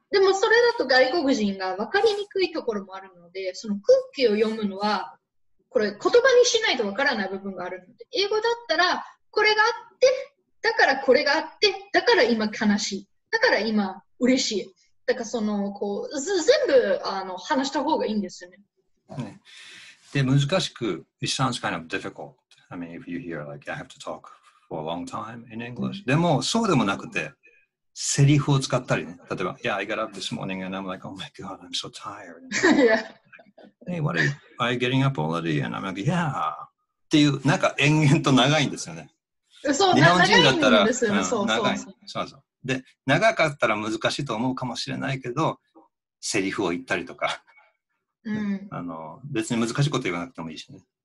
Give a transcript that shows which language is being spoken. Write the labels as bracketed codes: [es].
[ja] でもそれだと外国人が分かりにくいところもあるので、その空気を読むのはこれ言葉にしないと分からない部分があるので、英語だったらこれがあって、だからこれがあって、だから今悲しい、だから今嬉しい、だからそのこう全部話した方がいいんですよね、うん、で難しく [en] It sounds kind of difficultI mean, if you hear like, I have to talk for a long time in English. [ja] でも、そうでもなくて、セリフを使ったりね。例えば、 [en] Yeah, I got up this morning and I'm like, oh my god, I'm so tired. Yeah. Hey, what are you getting up already? And I'm like, yeah. [ja] っていう、なんか延々と長いんですよね。そう、日本人だったら、長いんですよね。そうそう。で、長かったら難しいと思うかもしれないけど、セリフを言ったりとか。うん、別に難しいこと言わなくてもいいしね。